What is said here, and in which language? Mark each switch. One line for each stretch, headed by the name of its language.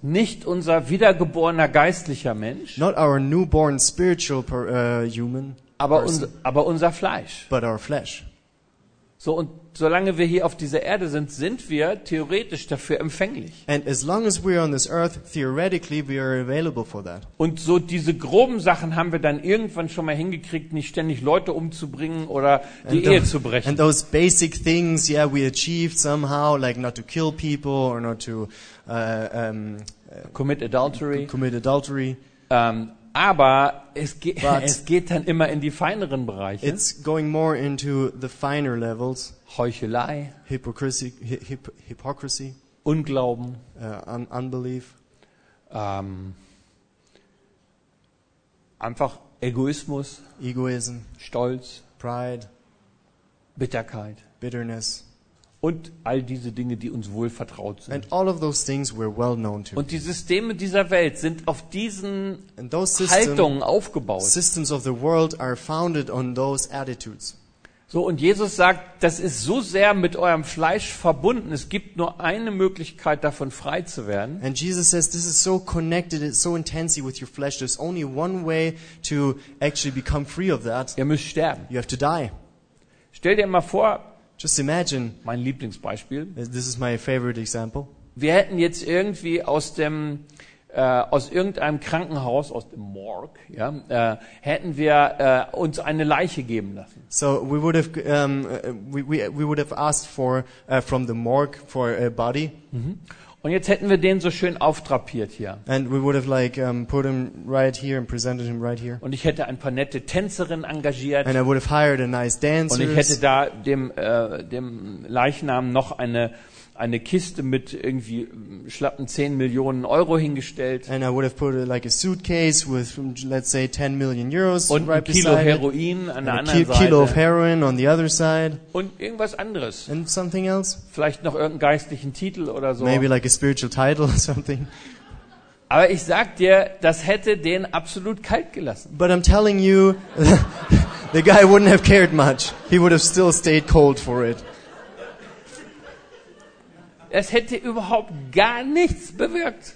German: Nicht unser wiedergeborener geistlicher Mensch.
English: Not our newborn spiritual human.
German: Aber unser Fleisch.
English: But our flesh.
German: So, und solange wir hier auf dieser Erde sind, sind wir theoretisch dafür empfänglich.
English: And as long as we are on this earth, theoretically we are available for that.
German: Und so diese groben Sachen haben wir dann irgendwann schon mal hingekriegt, nicht ständig Leute umzubringen oder die Ehe zu brechen.
English: And those basic things, yeah, we achieved somehow, like not to kill people or not to commit adultery.
German: Aber es geht dann immer in die feineren Bereiche.
English: It's going more into the finer levels.
German: Heuchelei.
English: Hypocrisy.
German: Unglauben.
English: Unbelief.
German: Einfach Egoismus.
English: Egoism.
German: Stolz.
English: Pride.
German: Bitterkeit.
English: Bitterness.
German: Und all diese Dinge, die uns wohl vertraut sind.
English: And all of those things were well known to
German: und die Systeme dieser Welt sind auf diesen Haltungen aufgebaut.
English: Systems of the world are founded on those attitudes.
German: So, und Jesus sagt, das ist so sehr mit eurem Fleisch verbunden, es gibt nur eine Möglichkeit, davon frei zu werden.
English: And Jesus says, this is so connected, it's so intensely with your flesh, there's only one way to actually become free of that.
German: Ihr müsst sterben.
English: You have to die.
German: Stell dir mal vor,
English: just imagine,
German: mein Lieblingsbeispiel.
English: This is my favorite example.
German: Wir hätten jetzt irgendwie aus irgendeinem Krankenhaus, aus dem Morgue, ja, hätten wir uns eine Leiche geben lassen.
English: So we would have asked for from the morgue for a body. Mhm.
German: Und jetzt hätten wir den so schön auftrapiert hier.
English: And we would have like put him right here and presented him right here.
German: Und ich hätte ein paar nette Tänzerinnen engagiert.
English: And I would have hired a nice dancers.
German: Und ich hätte da dem Leichnam noch eine Kiste mit irgendwie schlappen 10 Millionen Euro hingestellt.
English: And I would have put like a suitcase with, let's say, 10 million euros.
German: Und
English: right
German: ein Kilo Heroin an der anderen Seite.
English: Kilo of heroin on the other side.
German: Und irgendwas anderes.
English: And something else.
German: Vielleicht noch irgendeinen geistlichen Titel oder so.
English: Maybe like a spiritual title or something.
German: Aber ich sag dir, das hätte den absolut kalt gelassen.
English: But I'm telling you, the guy wouldn't have cared much. He would have still stayed cold for it.
German: Es hätte überhaupt gar nichts bewirkt.